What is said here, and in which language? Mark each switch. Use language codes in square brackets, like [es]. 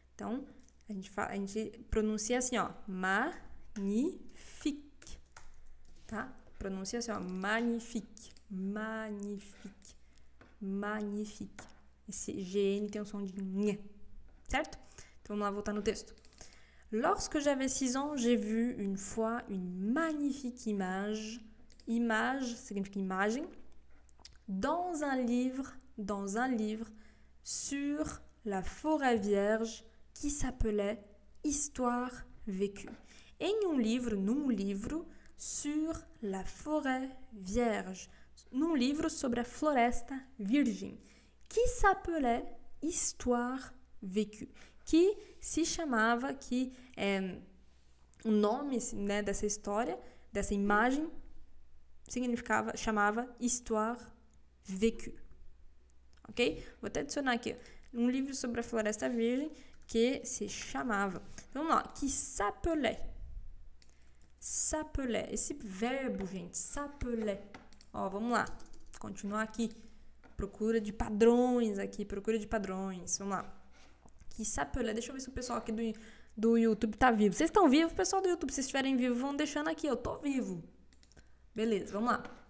[pt] Então, a gente pronuncia assim, ó, magnifique, tá? Pronuncia assim, ó, magnifique, magnifique, magnifique. Esse GN tem um som de nha, certo? Então, vamos lá voltar no texto. [fr] Lorsque j'avais 6 ans, j'ai vu une fois une magnifique image. [pt] Image significa imagem. [fr] Dans un livre sur la forêt vierge qui s'appelait Histoire vécue. [pt] Em um livro, num livro, [fr] sur la forêt vierge. [pt] Num livro sobre a floresta virgem. [fr] Qui s'appelait Histoire vécue. [pt] Que se chamava, que é, o nome, né, dessa história, dessa imagem, significava, chamava Histoire vécue. Ok? Vou até adicionar aqui, um livro sobre a Floresta Virgem, que se chamava. Então, vamos lá, [fr] qui s'appelait. S'appelait. [pt] Esse verbo, gente, s'appelait. Ó, vamos lá, continuar aqui. Procura de padrões aqui, procura de padrões. Vamos lá. [fr] Qui s'appelait, [pt] deixa eu ver se o pessoal aqui do YouTube tá vivo. Vocês estão vivos, pessoal do YouTube? Se estiverem vivos, vão deixando aqui, eu tô vivo. Beleza, vamos lá.